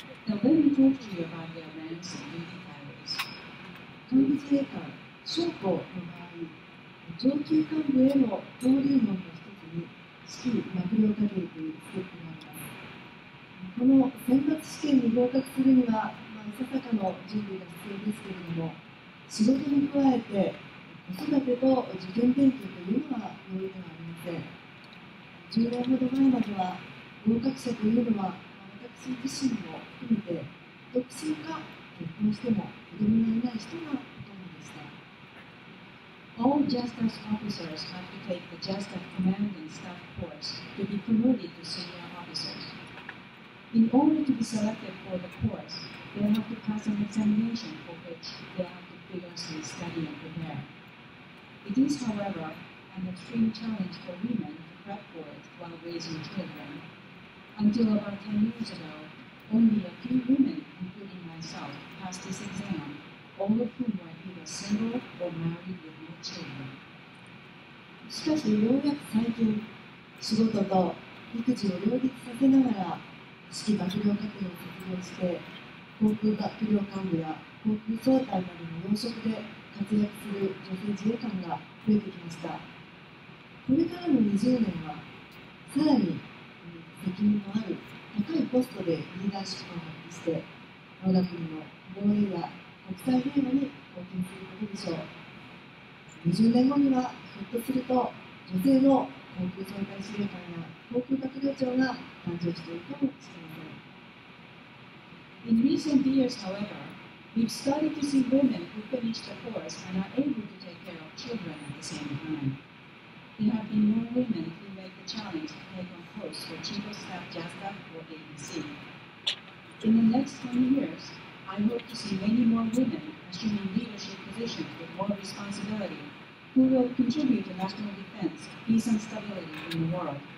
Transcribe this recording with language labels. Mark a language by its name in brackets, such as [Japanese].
[English] Now let me talk to you about their ranks and duty titles. [Japanese] 幹部自衛官、将校の場合、上級幹部への登竜門の一つに、士気幕僚課程というステップがあります。この選抜試験に合格するには、まあ、ささかの準備が必要ですけれども、仕事に加えて子育てと受験勉強というのは容易ではありません。 10年ほど前までは合格者というのは私自身も含めて独身か結婚しても子供がいない人がほとんどでした。 [English] All JASTAS officers have to take the JASTAS command and staff course to be promoted to senior officers. In order to be selected for the course, they have to pass an examination for which they areVigorously study and prepare. It is, however, an extreme challenge for women to prep for it while raising children. Until about 10 years ago, only a few women, including myself, passed this exam, all of whom were either single or married with no children. [Japanese] しかし、ようやく最近、仕事と育児を両立させながら、士気幕僚課程を卒業して、航空幕僚幹部や航空総隊などの要職で活躍する女性自衛官が増えてきました。これからの20年は、さらに責任のある高いポストでリーダーシップを発揮して、我が国の防衛や国際平和に貢献することでしょう。 20年後には、ひょっとすると、女性の航空総隊司令官や航空幕僚長が誕生しているかもしれません。 [English] In recent years, however,We've started to see women who finish the course and are able to take care of children at the same time. There have been more women who make the challenge to take on posts for Chico Staff JASDA or ABC. In the next 20 years, I hope to see many more women assuming leadership positions with more responsibility who will contribute to national defense, peace, and stability in the world.